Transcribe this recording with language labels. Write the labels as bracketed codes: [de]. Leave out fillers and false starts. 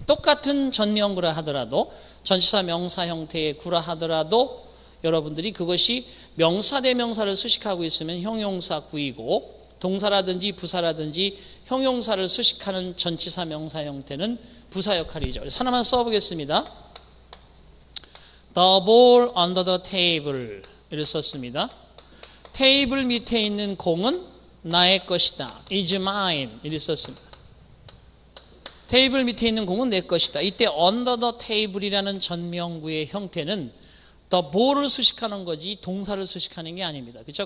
[ko] 똑같은 전명구라 하더라도 전치사 명사 형태의 구라 하더라도 여러분들이 그것이 명사 대명사를 수식하고 있으면 형용사 구이고 동사라든지 부사라든지 형용사를 수식하는 전치사 명사 형태는 부사 역할이죠. 그래서 하나만 써보겠습니다. [en] The ball under the table [ko] 이를 썼습니다. 테이블 밑에 있는 공은 나의 것이다. [en] Is mine [ko] 이를 썼습니다. 테이블 밑에 있는 공은 내 것이다. 이때 under the table이라는 전명구의 형태는 the ball을 수식하는 거지 동사를 수식하는 게 아닙니다. 그렇죠?